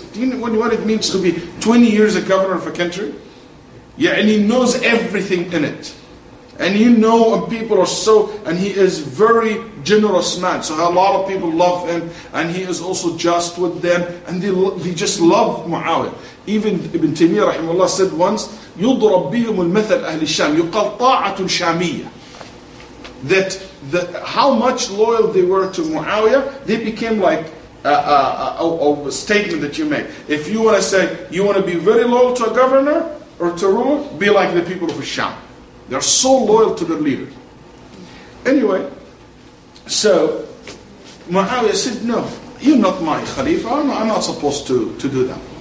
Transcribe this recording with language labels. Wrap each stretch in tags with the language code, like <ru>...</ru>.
<en>Do you know what it means to be 20 years a governor of a country? Yeah, and he knows everything in it. And you know, and people are so, and he is very generous man. So a lot of people love him, and he is also just with them, and they just love Muawiyah. Even Ibn Taymiyyah rahimahullah said once,</en> <ar>يُضْرَبْ بِهُمُ الْمَثَلَ أَهْلِ الشَّامِ يُقَلْ طَاعَةٌ شَامِيَّةٌ.</ar> <en>That the, how much loyal they were to Muawiyah, they became like a statement that you make. If you want to say, you want to be very loyal to a governor, or to rule, be like the people of Al-Sham. They're so loyal to their leader. Anyway, so Muawiyah said, no, you're not my Khalifa, I'm not supposed to do that.</en>